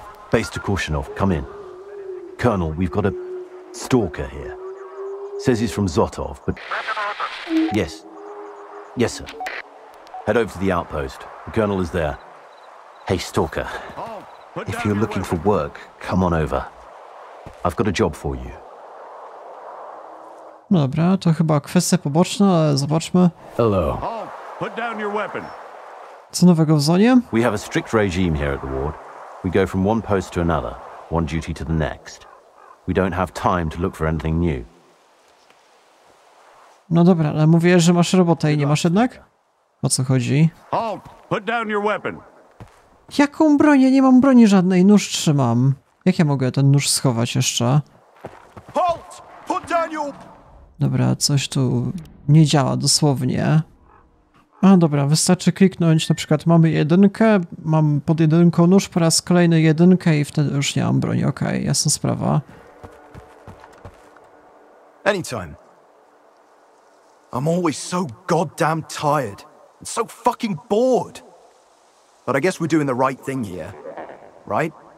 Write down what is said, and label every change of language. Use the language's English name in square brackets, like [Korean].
[English] Base to Korshunov, come in. Colonel, we've got a stalker here. Says he's from Zotov, but... Yes. Yes, sir. Head over to the outpost. The colonel is there. Hey, stalker. If you're looking for work, come on over. I've got a job for you. [Polish] No dobra, to chyba kwestia poboczna, ale zobaczmy. [English] Hello. Put down your weapon. [Polish] Co nowego w zonie? [English] We have a strict regime here at the ward. We go from one post to another, one duty to the next. We don't have time to look for anything new. [Polish] No dobra, ale mówię, że masz robotę i nie masz jednak? O co chodzi? [English] Halt! Put down your weapon. [Polish] Jaką broń? Ja nie mam broni żadnej, nóż trzymam. Jak ja mogę ten nóż schować jeszcze? [English] Halt! Put down your... [Polish] Dobra, coś tu nie działa dosłownie. A dobra, wystarczy kliknąć, na przykład mamy jedynkę, mam pod jedynką nóż, po raz kolejny jedynkę i wtedy już nie mam broni, okej, okay, jasna sprawa. [English] Anytime. I'm always so goddamn tired and so fucking bored. But I guess we're doing the right thing here, right?